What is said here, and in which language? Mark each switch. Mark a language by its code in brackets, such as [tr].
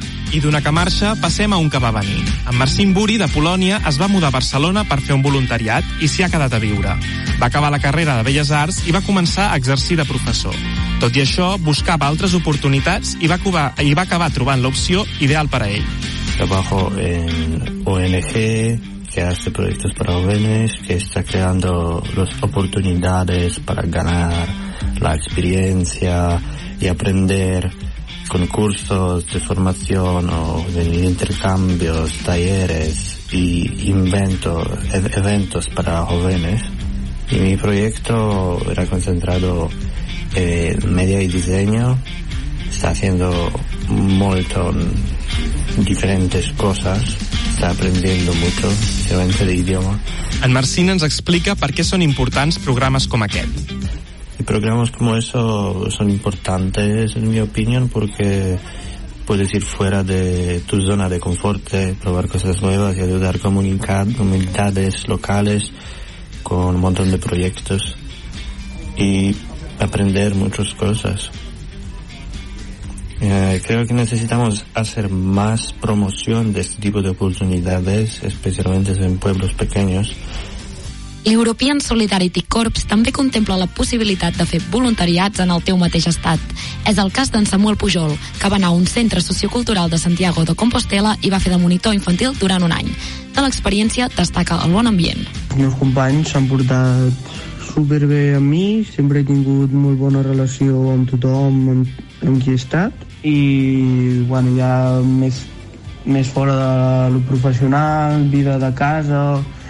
[ca] I d'una que marxa, passem a un que va venir. En Marcin Buri, de Polònia, es va mudar a Barcelona per fer un voluntariat i s'hi ha quedat a viure. Va acabar la carrera de Belles Arts i va començar a exercir de professor. Tot i això, buscava altres oportunitats i va acabar trobant l'opció ideal per a ell. [es] Trabajo en ONG, que hace proyectos para jóvenes, que está creando las oportunidades para ganar la experiencia y aprender con cursos de formación o de intercambios, talleres y eventos para jóvenes. Y mi proyecto era concentrado en media y diseño. Está haciendo mucho diferentes cosas, está aprendiendo mucho, especialmente de idioma. [ca] En Marcin ens explica per què són importants programes com aquest. [es] Y programas como eso son importantes, en mi opinión, porque puedes ir fuera de tu zona de confort, probar cosas nuevas y ayudar comunidades locales con un montón de proyectos y aprender muchas cosas. Creo que necesitamos hacer más promoción de este tipo de oportunidades, especialmente en pueblos pequeños. [ca] L'European Solidarity Corps també contempla la possibilitat de fer voluntariats en el teu mateix estat. És el cas d'en Samuel Pujol, que va anar a un centre sociocultural de Santiago de Compostela i va fer de monitor infantil durant un any. De l'experiència destaca el bon ambient. Els meus companys s'han portat superbé amb mi, sempre he tingut molt bona relació amb tothom amb qui he estat, i bueno, ja més fora de lo professional, vida de casa,